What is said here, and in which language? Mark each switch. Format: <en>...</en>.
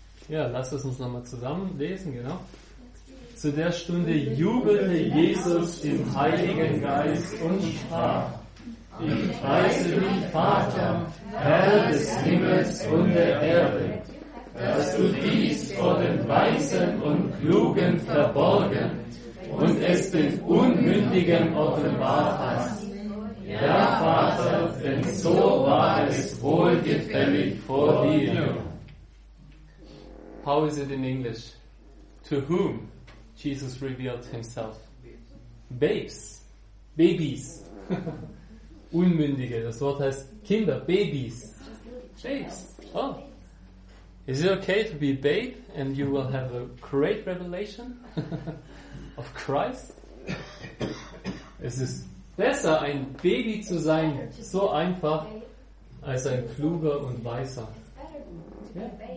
<de>Ja, lass es uns nochmal zusammen lesen, genau. Zu der Stunde jubelte Jesus im Heiligen Geist und sprach: Ich preise dich, Vater, Herr des Himmels und der Erde, dass du dies vor den Weisen und Klugen verborgen und es den Unmündigen offenbart hast. Ja, Vater, denn so war es wohlgefällig vor dir.</de> <en>How is it in English? To whom Jesus revealed himself? Babes. Babies.</en> <de>Unmündige, das Wort heißt Kinder, Babies.</de> <en>Babes. Oh. Is it okay to be a babe and you will have a great revelation of Christ?</en> <de>Es ist besser, ein Baby zu sein, so einfach, als ein kluger und weiser. Yeah.</de>